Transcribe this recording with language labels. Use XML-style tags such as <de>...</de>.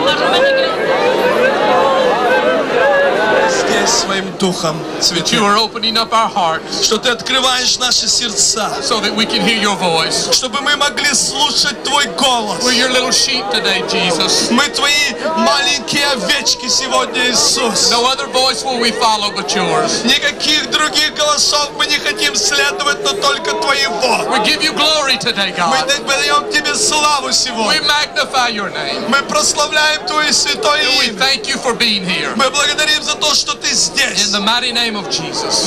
<ru>галпарамен. Здесь своим духом, святый,</ru> <en>you are opening up our hearts,</en> <ru>что ты открываешь наши сердца,</ru> <en>so that we can hear your voice,</en> <ru>чтобы мы могли слушать твой голос.</ru> <en>We're your little sheep today, Jesus.</en> <ru>Мы твои маленькие овечки сегодня, Иисус.</ru> <en>No other voice will we follow but yours.</en> <ru>Никаких других голосов мы не хотим следовать, но только твоего.</ru> <en>We give you glory today, God.</en> <ru>Мы даем тебе славу сегодня.</ru> <en>We magnify your name.</en> <ru>Мы прославляем твое святое имя.</ru> <en>And we thank you for being here.</en> <ru>Мы благодарим за то, что ты здесь.</ru> <en>In the mighty name of Jesus.</en>